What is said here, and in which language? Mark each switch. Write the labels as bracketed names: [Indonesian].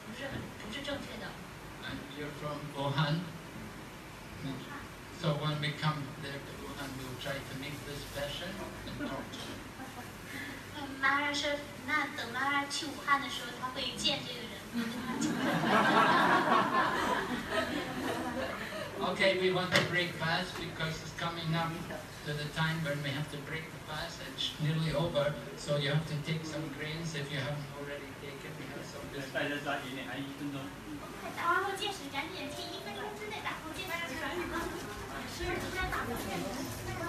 [Chinese] 所以您自己要容忍。那我可以告诉您的，就是说这个起的奉献者，他的行为言语也不是正确的。And [English] you're from Wuhan. So when we come there to Wuhan, we'll try to meet this person and talk. [Chinese] 妈妈说，那等妈妈去武汉的时候，她会见这个人。 [English] Okay, we want to break fast because it's coming up to the time when we have to break the fast. It's nearly over, so you have to take some grains if you haven't already taken. We have some. [Chinese] 快点打，一分钟。然后计时，赶紧去，1分钟之内打够计时。